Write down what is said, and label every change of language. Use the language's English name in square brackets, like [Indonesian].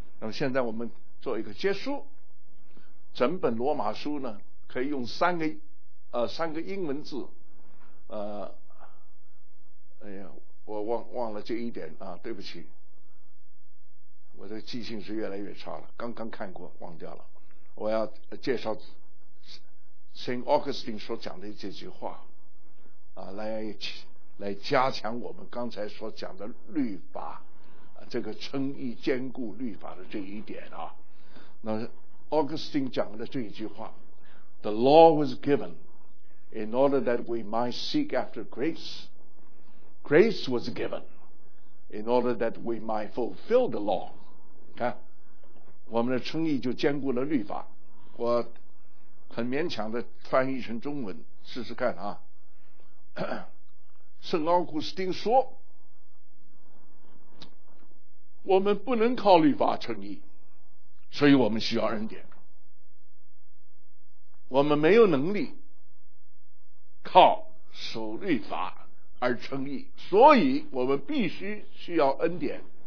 [Chinese] 那么现在我们做一个结束。整本罗马书呢可以用三个英文字，我忘了这一点啊，对不起，我的记性是越来越差了，刚刚看过忘掉了。我要介绍 Saint Augustine 所讲的这句话啊，来加强我们刚才所讲的律法，这个称义坚固律法的这一点啊。那 Augustine 讲的这一句话， [English] The law was given in order that we might seek after grace. Grace was given in order that we might fulfill the law. [Chinese] 看，我们的称义就坚固了律法。我很勉强的翻译成中文试试看啊。圣奥古斯丁说，我们不能靠律法称义，所以我们需要恩典，我们没有能力靠守律法而称义，所以我们必须需要恩典。